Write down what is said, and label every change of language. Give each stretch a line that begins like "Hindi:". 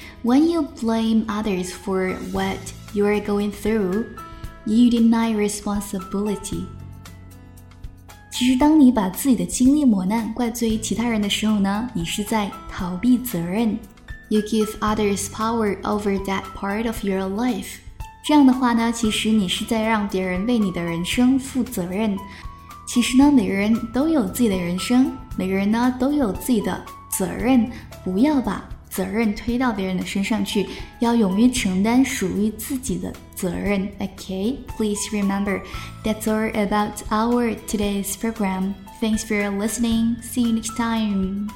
English: When you blame others for what you are going through, you deny responsibility.
Chinese: 其实当你把自己的经历磨难怪罪于其他人的时候呢，你是在逃避责任。
English: You give others power over that part of your life.
Chinese: 这样的话呢，其实你是在让别人为你的人生负责任。其实呢，每个人都有自己的人生，每个人呢都有自己的责任。不要把责任推到别人的身上去，要勇于承担属于自己的责任。
English: Okay, please remember, that's all about our today's program. Thanks for listening. See you next time.